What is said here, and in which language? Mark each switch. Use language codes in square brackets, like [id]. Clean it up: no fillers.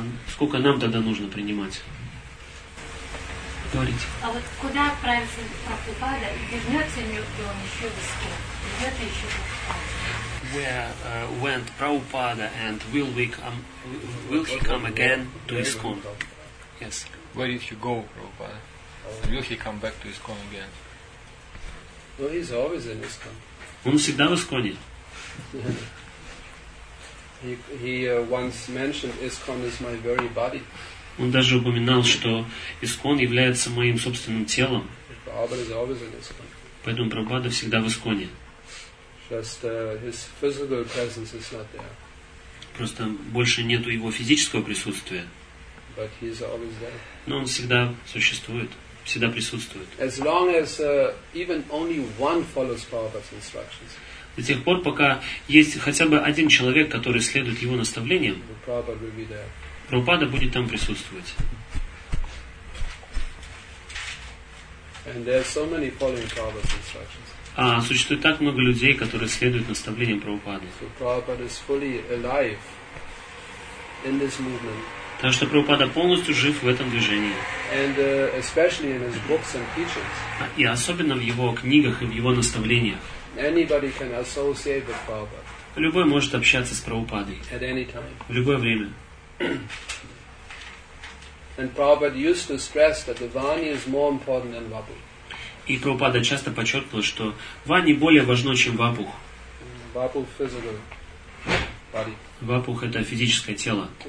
[ru] Сколько нам тогда нужно принимать? Говорите. А вот куда отправится Прабхупада? Вернется ли он еще в Искон? Вернется еще в Искон? [en] Where went Prabhupada and will he come again to ISKCON? Yes. Where did he go, Prabhupada? Will he come back to ISKCON again? Well, he's always in ISKCON. [ru] Он всегда в ISKCON. [en] He once mentioned ISKCON is my very body. [ru] Он даже упоминал, что ISKCON является моим собственным телом. [en] Prabhupada is always in ISKCON. [ru] Поэтому Прабхупада всегда в ISKCON. [en] Just his physical presence is not there. [ru] Просто больше нету его физического присутствия. [en] But he is always there. [ru] Но он всегда существует, всегда присутствует. [en] As long as even only one follows Prabhupada's instructions. [ru] До тех пор, пока есть хотя бы один человек, который следует его наставлениям, [en] Prabhupada will be there. [ru] Прабхупада будет там присутствовать. [en] And there are so many following Prabhupada's instructions. [ru] А существует так много людей, которые следуют наставлениям Прабхупады. [en] So, Prabhupada is fully alive in this movement. [ru] Так что Прабхупада полностью жив в этом движении. [en] And, especially in his books and teachings. [ru] И особенно в его книгах и в его наставлениях. [en] Anybody can associate with Prabhupada. [ru] Любой может общаться с Прабхупадой. [en] At any time. [ru] В любое время. [en] And Prabhupada used to stress that the Vani is more important than Vapu. [ru] И Прабхупада часто подчеркивал, что Вани более важно, чем Вапух. Вапух – это физическое тело.